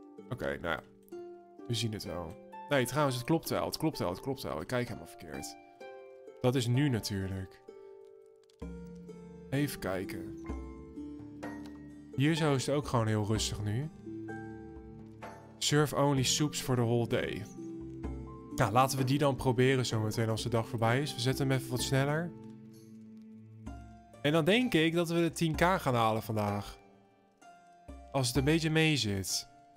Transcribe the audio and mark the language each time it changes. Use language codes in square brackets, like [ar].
[nl] Oké, nou ja. We zien het wel. Nee, trouwens, het klopt wel. Ik kijk helemaal verkeerd. Dat is nu natuurlijk. Even kijken. Hier zo is het ook gewoon heel rustig nu. [en] Serve only soups for the whole day. [nl] Nou, laten we die dan proberen zometeen als de dag voorbij is. We zetten hem even wat sneller. En dan denk ik dat we de 10k gaan halen vandaag. Als het een beetje mee zit.